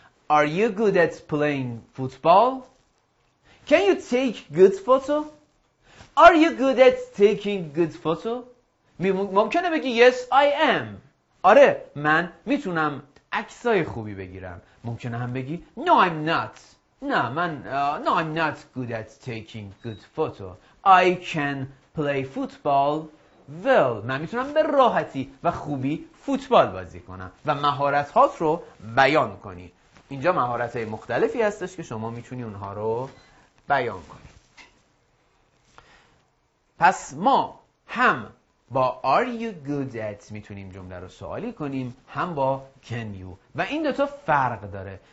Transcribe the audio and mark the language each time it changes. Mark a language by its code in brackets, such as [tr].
[en] Are you good at playing football? Can you take good photo? Are you good at taking good photo? [fa] ممکنه بگی [en] yes I am. [fa] آره من میتونم عکسای خوبی بگیرم. ممکنه هم بگی [en] no I'm not. [fa] نه من [en] no I'm not good at taking good photo. I can play football well. [fa] من میتونم به راحتی و خوبی فوتبال بازی کنم و مهارت هات رو بیان کنی. اینجا مهارت های مختلفی هستش که شما میتونی اونها رو بیان کنی. پس ما هم با Are you good at میتونیم جمله رو سوالی کنیم، هم با Can you، و این دوتا فرق داره.